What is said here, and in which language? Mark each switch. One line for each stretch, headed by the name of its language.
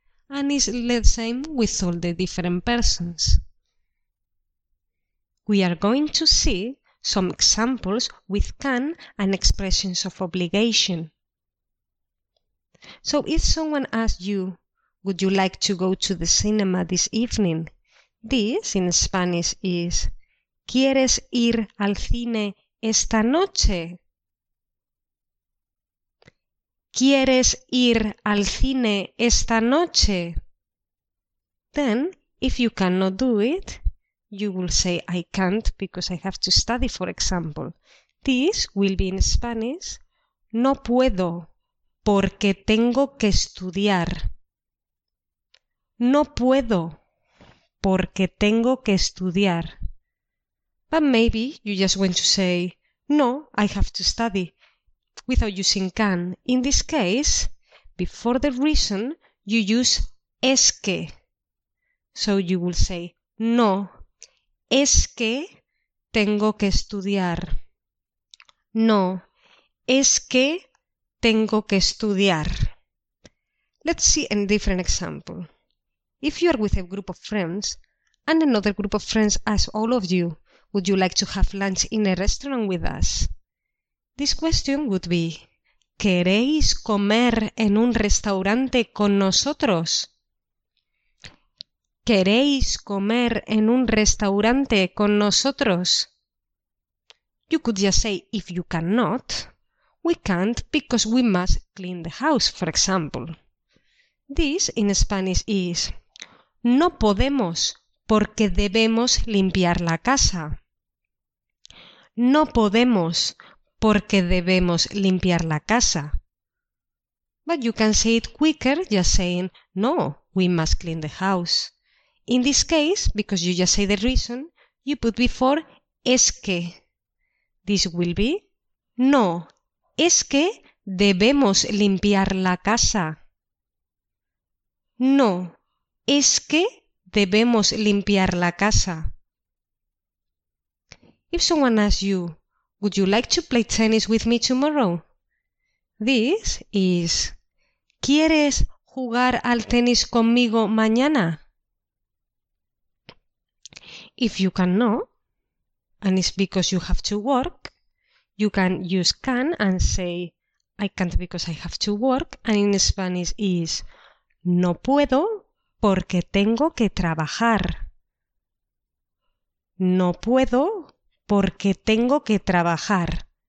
English: And it's the same with all the different persons. We are going to see some examples with can and expressions of obligation. So if someone asks you, would you like to go to the cinema this evening? This in Spanish is,
Spanish: ¿quieres ir al cine esta noche? ¿Quieres ir al cine esta noche?
English: Then, if you cannot do it, you will say, I can't because I have to study, for example. This will be in Spanish,
Spanish: no puedo porque tengo que estudiar. No puedo porque tengo que estudiar.
English: But maybe you just want to say, no, I have to study, without using can. In this case, before the reason, you use es que. So you will say,
Spanish: no, es que tengo que estudiar. No, es que tengo que estudiar.
English: Let's see a different example. If you are with a group of friends, and another group of friends asks all of you, would you like to have lunch in a restaurant with us? This question would be,
Spanish: ¿queréis comer en un restaurante con nosotros? ¿Queréis comer en un restaurante con nosotros?
English: You could just say, if you cannot, we can't because we must clean the house, for example. This in Spanish is,
Spanish: no podemos porque debemos limpiar la casa. No podemos porque debemos limpiar la casa.
English: But you can say it quicker just saying, no, we must clean the house. In this case, because you just say the reason, you put before es que. This will be,
Spanish: no, es que debemos limpiar la casa. No, es que debemos limpiar la casa.
English: If someone asks you, would you like to play tennis with me tomorrow? This is,
Spanish: ¿quieres jugar al tenis conmigo mañana?
English: If you cannot, and it's because you have to work, you can use can and say, I can't because I have to work, and in Spanish is,
Spanish: no puedo porque tengo que trabajar. No puedo. Porque tengo que trabajar.